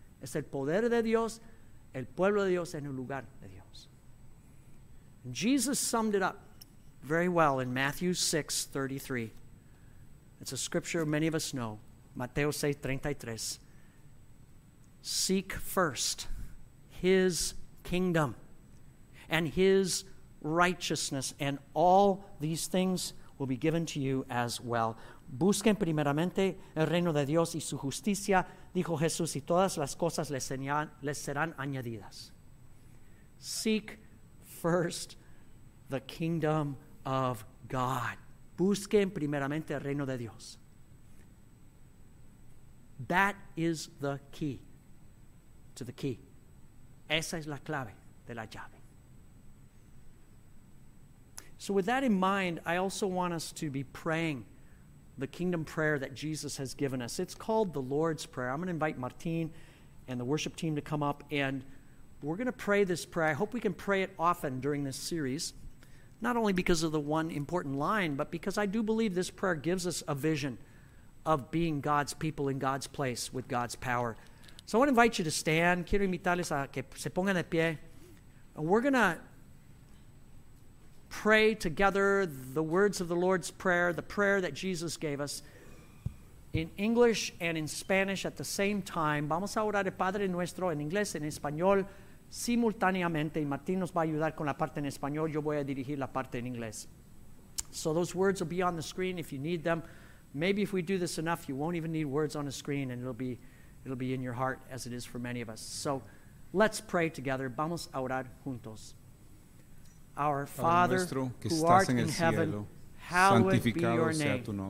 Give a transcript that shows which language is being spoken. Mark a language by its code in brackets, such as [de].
[es] Es el poder de Dios, el pueblo de Dios en el lugar de Dios. [en] And Jesus summed it up very well in Matthew 6:33. It's a scripture many of us know. [es] Mateo 6:33. [en] Seek first his kingdom and his righteousness, and all these things will be given to you as well. [es] Busquen primeramente el reino de Dios y su justicia, dijo Jesús, y todas las cosas les serán añadidas. [en] Seek first the kingdom of God. [es] Busquen primeramente el reino de Dios. [en] That is the key to the key. [es] Esa es la clave de la llave. [en] So with that in mind, I also want us to be praying the kingdom prayer that Jesus has given us. It's called the Lord's Prayer. I'm going to invite Martin and the worship team to come up, and we're going to pray this prayer. I hope we can pray it often during this series, not only because of the one important line, but because I do believe this prayer gives us a vision of being God's people in God's place with God's power. So I want to invite you to stand. [es] Quiero invitarles a que se pongan de pie. [en] And we're going to pray together the words of the Lord's Prayer, the prayer that Jesus gave us, in English and in Spanish at the same time. [es] Vamos a orar el Padre Nuestro en inglés, en español, simultáneamente. Y Martín nos va a ayudar con la parte en español. Yo voy a dirigir la parte en inglés. [en] So those words will be on the screen if you need them. Maybe if we do this enough, you won't even need words on a screen, and it'll be in your heart as it is for many of us. So let's pray together. [es] Vamos a orar juntos. [en] Our Father, who art in heaven, hallowed be your name.